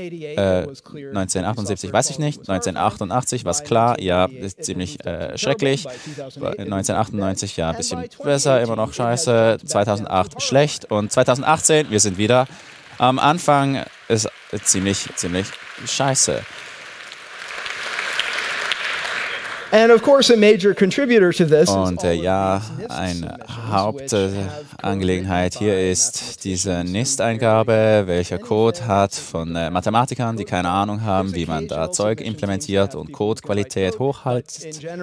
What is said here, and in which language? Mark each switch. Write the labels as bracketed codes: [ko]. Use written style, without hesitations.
[de] 1978 weiß ich nicht, 1988 war es klar, ja, ist ziemlich schrecklich, 1998 ja, ein bisschen besser, immer noch scheiße, 2008 schlecht und 2018, wir sind wieder am Anfang, ist ziemlich scheiße. [en] And of course, a major contributor to this. [de] Und eine Hauptangelegenheit hier ist diese NIST-Eingabe, welcher Code hat von Mathematikern, die keine Ahnung haben, wie man da Zeug implementiert und Codequalität hochhält.